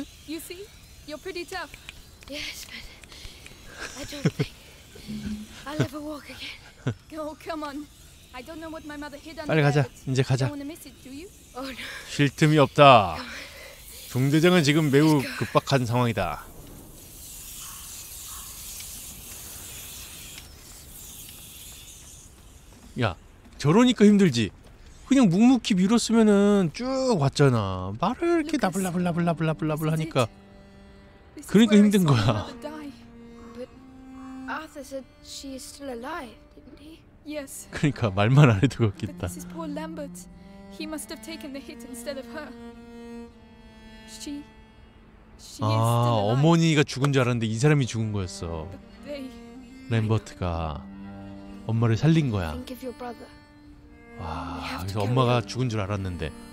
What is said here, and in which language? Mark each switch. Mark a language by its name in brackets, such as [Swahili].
[English] You see, you're pretty tough. Yes, but I don't think I'll ever walk again. Oh, come on. I don't know what my mother hid under. [Korean] 빨리 가자. 이제 가자. [English] Oh, no. [Korean] 쉴 틈이 없다. 중대장은 지금 매우 급박한 상황이다. 야, 저러니까 힘들지. 그냥 묵묵히 밀었으면은 쭉 왔잖아. 말을 이렇게 나불나불나불나불나불나불 하니까 그러니까 힘든 거야. [English] Arthur said she is still alive, didn't he? Yes. [Korean] 그러니까 말만 안 해도 그렇겠다. [English] This is poor Lambert. He must have taken the hit instead of her. She is still alive. [Korean] 아, 어머니가 죽은 줄 알았는데 이 사람이 죽은 거였어. 램버트가 엄마를 살린 거야. 와, 그래서 엄마가 죽은 줄 알았는데.